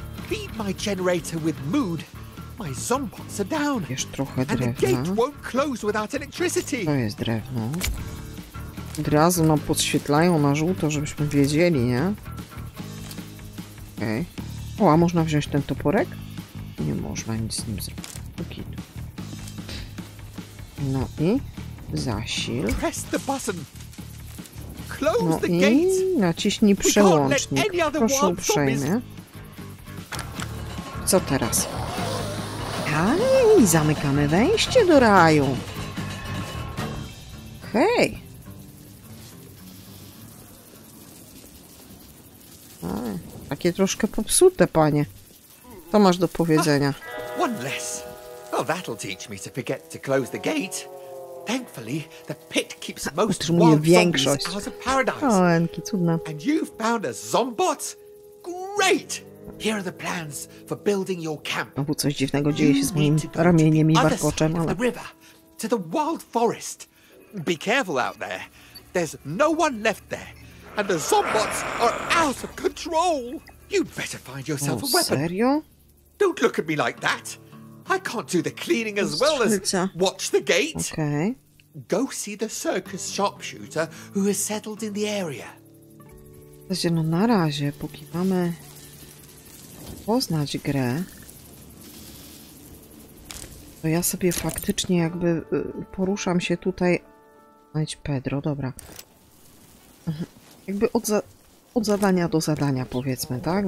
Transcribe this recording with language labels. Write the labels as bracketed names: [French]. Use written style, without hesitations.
[English] Feed my generator with mood. My zombots are down. [Polish] Jeszcze trochę drewna. [English] And the gate won't close without electricity. [Polish] To jest drewno. Od razu nam podświetlają na żółto, żebyśmy wiedzieli, nie? Okej. Okay. O, a można wziąć ten toporek? Nie można nic z nim zrobić. No i zasil. [English] Press the button. [Polish] No i naciśnij przełącznik. Proszę uprzejmie. Co teraz? Hej, zamykamy wejście do raju. Hej. Takie troszkę popsute, panie. Co masz do powiedzenia? [English] One less. Well, that'll teach me to forget to close the gate. Thankfully, the pit keeps most wild zombies out of paradise. [Polish] O, Enki, cudna. [English] And you've found a zombot? Great! Here are the plans for building your camp. [Polish] No, bo coś dziwnego dzieje się z moim ramieniem i warkoczem, ale... [English] To the river, to the wild forest. Be careful out there. There's no one left there. And the zombots are out of control. You'd better find yourself a weapon. [Polish] Serio? [English] Don't look at me like that. I can't do the cleaning as well as watch the gate. Okay. Go see the circus sharpshooter who has settled in the area. [Polish] Zasadzie, no na razie, póki mamy poznać grę, to ja sobie faktycznie jakby poruszam się tutaj. Znajdź Pedro, dobra. Jakby od zadania do zadania, powiedzmy, tak?